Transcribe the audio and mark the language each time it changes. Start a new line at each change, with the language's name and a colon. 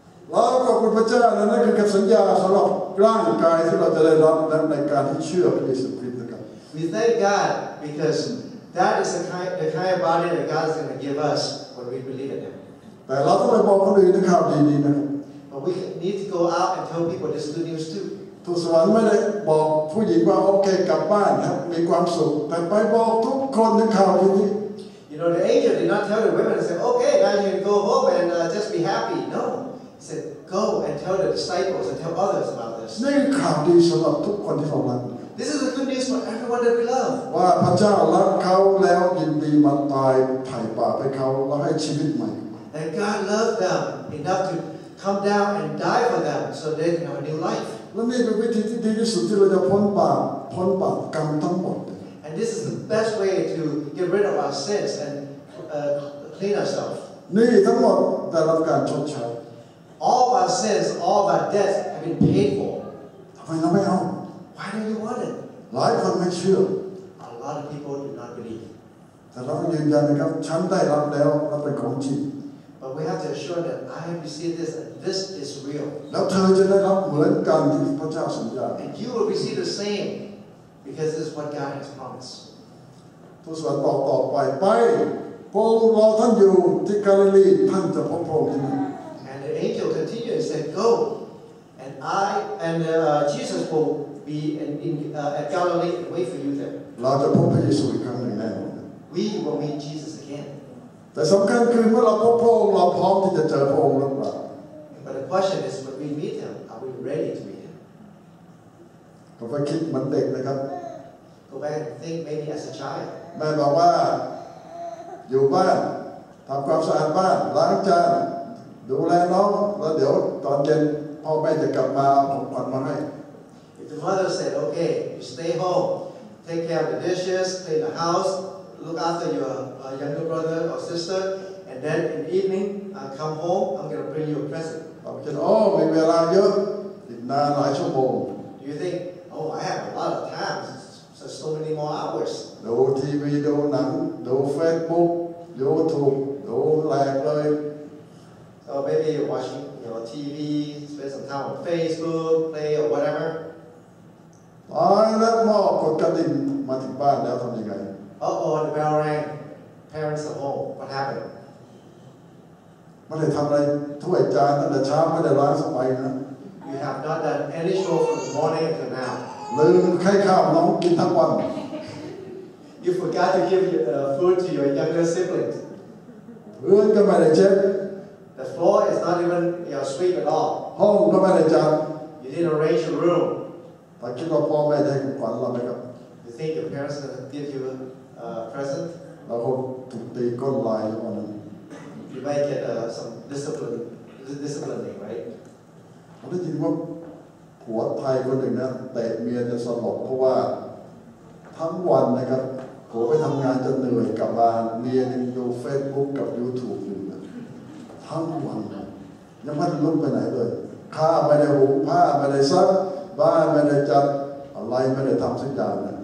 Thai: เราขอบคุณพระเจ้านั่นคือการสัญญาสำหรับร่างกายที่เราจะได้รับนั้นในการที่เชื่อพระเยซูคริสต์นะครับ
English: We thank God because that is the kind of body that God is going to give us when we believe in Him.
Thai: แต่เราต้องไปบอกคนอื่นนะครับดีๆนะครับ
English: But we need to go out and tell people this good news too.
Thai: ทูตสวรรค์ไม่ได้บอกผู้หญิงว่าโอเคกลับบ้านนะมีความสุขแต่ไปบอกทุกคนในข่าวดี
English: You know the angel did not tell the women and say okay now you can go home and just be happy. No. Said, go and tell the disciples and tell others about this.
Thai: นี่ข่าวดีสำหรับทุกคนที่ฟังมัน
English: This is the good news for everyone that we love.
Thai: ว่าพระเจ้ารักเขาแล้วยินดีมาตายไถ่บาปให้เขาและให้ชีวิตใหม่
English: And God loved them enough to come down and die for them so they can have a new life.
Thai: และนี่เป็นวิธีที่ดีที่สุดที่เราจะพ้นบาปกรรมทั้งหมด
English: And this is the best way to get rid of our sins and clean ourselves.
Thai: นี่ทั้งหมดได้รับการชดเชย
English: All of our sins, all of our debts have been paid for.
Thai: ทำไมเราไม่เอา
English: Why don't you want it?
Thai: หลายคนไม่เชื่อ
English: A lot of people do not believe.
Thai: แต่เราต้องยืนยันนะครับฉันได้รับแล้วรับเป็นของจริง
English: But we have to assure that I have received this and this is real.
Thai: แล้วเธอจะได้รับเหมือนกันที่พระเจ้าสัญญา
English: And you will receive the same because this is what God has promised.
Thai: ทูตสวรรค์บอกต่อไปไปโปรดรอท่านอยู่ที่กาลิลีท่านจะพบพระองค์ที่นี่
English: Angel continued and said, "Go, and I and Jesus will be at Galilee and wait for you there."
Thai: เราจะพบพระเยซูอีกครั้งหนึ่งแน่นอน
English: We will meet Jesus again.
Thai: แต่สำคัญคือเมื่อเราพบพระองค์เราพร้อมที่จะเจอพระองค์หรือเปล่า
English: But the question is when we meet him are we ready to meet him
Thai: ก็ไปคิดเหมือนเด็กนะครับ
English: Go back and think maybe as a child
Thai: แม่บอกว่าอยู่บ้านทำความสะอาดบ้านล้างจานดูแลน้องแล้วเดี๋ยวตอนเย็นพ่อแม่จะกลับมาเอาของขวัญมาให้
English: If the mother said okay you stay home take care of the dishes clean the houseLook after your younger brother or sister, and then in the evening, come home. I'm gonna bring you a present. I'm thinking, oh,
Thai: มีเวลาเยอะ นานหลายชั่วโมง
English: Do you think, oh, I have a lot of time, so many more hours.
Thai: ดูทีวีดูหนังดู Facebook, YouTube, ดูแรงเลย
English: So maybe you're watching your TV, spend some time on Facebook, play or whatever.
Thai: แล้วพ่อกดกระดิ่งมาถึงบ้านแล้วทำยังไง
English: Uh-oh, the bell rang. Parents at home. What happened?
Thai: ไม่ได้ทำอะไรถ้วยจานตั้งแต่เช้าไม่ได้ล้างสบายนะ
English: You have not done any chore from the morning until now.
Thai: ลืมไข่ข้าวน้องกินทั้งวัน
English: You forgot to give food to your younger siblings.
Thai: พื้นก็ไม่ได้เช็ด
English: The floor is not even sweep at all.
Thai: ห้องก็ไม่ได้จัด
English: You didn't arrange your room.
Thai: ถ้าคิดว่าพ่อแม่ได้ของขวัญเราไหมครับ
English: I think your parents give you a present.
Thai: แล้วถูกตีก้นลายวันนั้น
English: You might get some discipline, right?
Thai: เราได้ยินว่าผัวไทยคนหนึ่งนะเตะเมียจนสลบเพราะว่าทั้งวันนะครับผัวไปทำงานจนเหนื่อยกลับมาเมียยังดู Facebook กับ YouTube อยู่นะทั้งวันยังไม่ได้ลุกไปไหนเลยข้าไม่ได้หุงผ้าไม่ได้ซักบ้านไม่ได้จัดอะไรไม่ได้ทำสักอย่าง